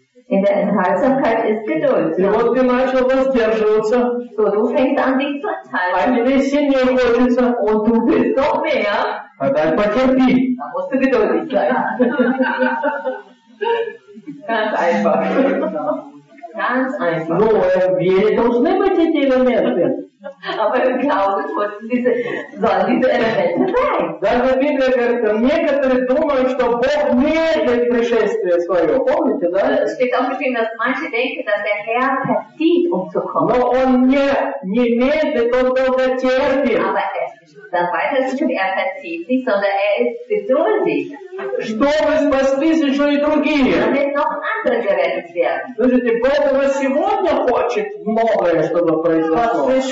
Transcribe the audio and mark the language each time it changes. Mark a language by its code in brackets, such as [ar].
[de] In der Enthaltsamkeit ist Geduld. [ru] И вот ты начал воздерживаться. [de] So, du fängst an, dich zu enthalten. [ru] А тебе сильнее хочется. [de] Und du willst noch mehr. [ru] А дай потерпи. [de] Da musst du geduldig sein. Ganz einfach. Ganz einfach. [ru] Но в вере должны быть эти элементы. [de] Aber im Glauben sollen diese Elemente sein. [ru] Даже Библия говорит, некоторые думают, что Бог медлит пришествие свое. Помните, да? [de] Es steht auch geschrieben, dass manche denken, dass der Herr verzieht, um zu kommen. [ru] Но он не медлит, он только терпит. [de] Aber dann weiter steht, er verzieht nicht, sondern er ist geduldig. [ru] Чтобы спастись еще и другие. Слушайте, Бог уже сегодня хочет многое, чтобы произошло.